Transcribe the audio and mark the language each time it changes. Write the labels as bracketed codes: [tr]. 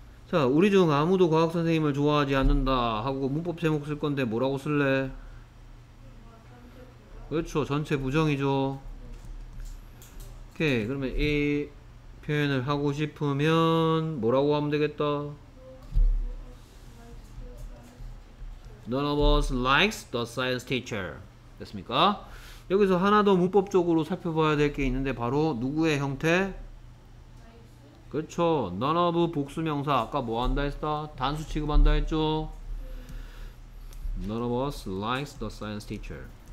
[ko] 자 우리 중 아무도 과학 선생님을 좋아하지 않는다 하고 문법 제목 쓸 건데 뭐라고 쓸래? 그렇죠 전체 부정이죠. 오케이 그러면 이 표현을 하고 싶으면 뭐라고 하면 되겠다? [en] None of us likes the science teacher [ko] 됐습니까? 여기서 하나 더 문법적으로 살펴봐야 될 게 있는데 바로 누구의 형태? 그렇죠. None of 복수명사 아까 뭐 한다 했다? 단수 취급한다 했죠. [en] None of us likes the science teacher.